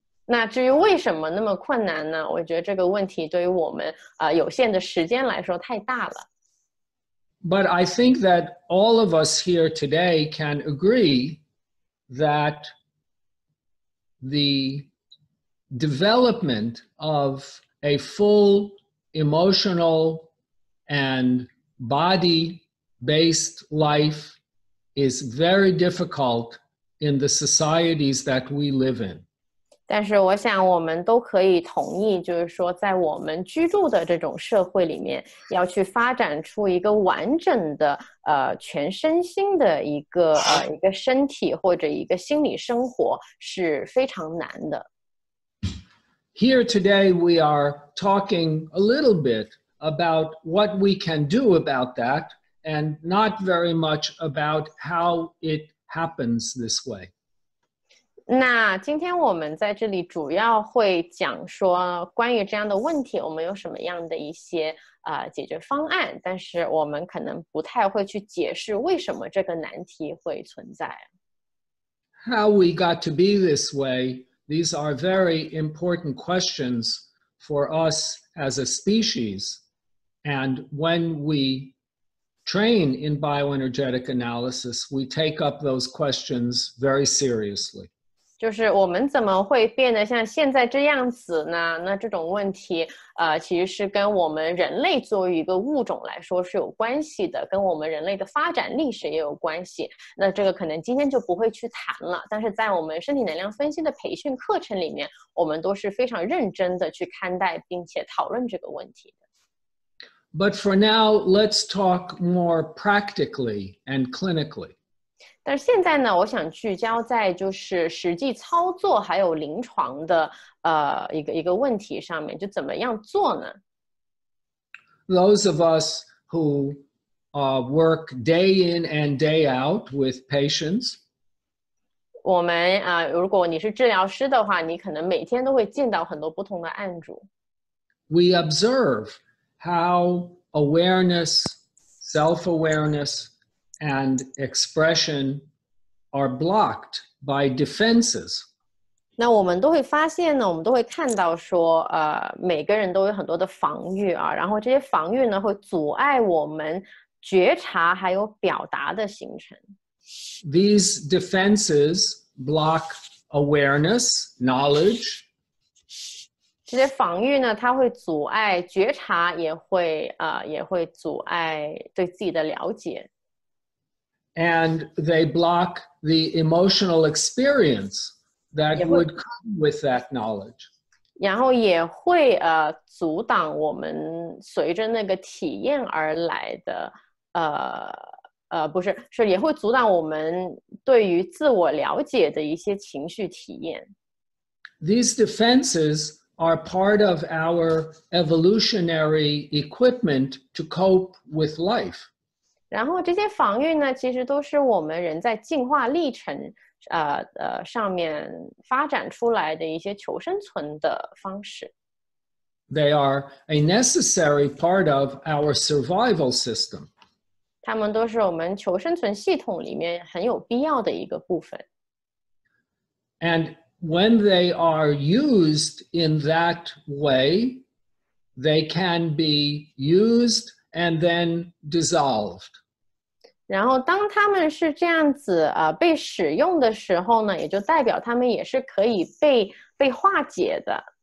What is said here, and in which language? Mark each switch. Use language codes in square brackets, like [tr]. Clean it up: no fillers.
[zh] 那至于为什么那么困难呢？我觉得这个问题对于我们、有限的时间来说太大了。 [en] But I think that all of us here today can agree that the development of a full emotional and body-based life is very difficult in the societies that we live in. [zh] 但是我想我们都可以同意，就是说在我们居住的这种社会里面，要去发展出一个完整的、全身心的一个、一个身体或者一个心理生活是非常难的。 [en] Here today we are talking a little bit about what we can do about that and not very much about how it happens this way. [zh] 那今天我们在这里主要会讲说关于这样的问题我们有什么样的一些、解决方案但是我们可能不太会去解释为什么这个难题会存在 [en] How we got to be this way These are very important questions for us as a species And when we train in bioenergetic analysis We take up those questions very seriously [zh] 就是我们怎么会变得像现在这样子呢？那这种问题、其实是跟我们人类作为一个物种来说是有关系的，跟我们人类的发展历史也有关系。那这个可能今天就不会去谈了，但是在我们身体能量分析的培训课程里面，我们都是非常认真的去看待并且讨论这个问题的。 [en] But for now, let's talk more practically and clinically. [zh] 但现在呢，我想聚焦在就是实际操作还有临床的、一个问题上面，就怎么样做呢 [en] ？Those of us who、work day in and day out with patients， [zh] 我们、如果你是治疗师的话，你可能每天都会见到很多不同的案主。 [en] We observe how awareness, self-awareness. And expression are blocked by defenses. [zh] 那我们都会发现呢，我们都会看到说，每个人都有很多的防御啊，然后这些防御呢，会阻碍我们觉察还有表达的形成。 [en] These defenses block awareness, knowledge. [zh] 这些防御呢，它会阻碍觉察，也会也会阻碍对自己的了解。 [en] And they block the emotional experience that would come with that knowledge. [zh] 然后也会阻挡我们随着那个体验而来的不是，是也会阻挡我们对于自我了解的一些情绪体验。 [en] These defenses are part of our evolutionary equipment to cope with life. [zh] 然后这些防御呢，其实都是我们人在进化历程上面发展出来的一些求生存的方式。 [en] They are a necessary part of our survival system. [zh] 它们都是我们求生存系统里面很有必要的一个部分。 [en] And when they are used in that way, they can be used and then dissolved. [zh] 然后当它们是这样子被使用的时候呢，也就代表它们也是可以被化解的。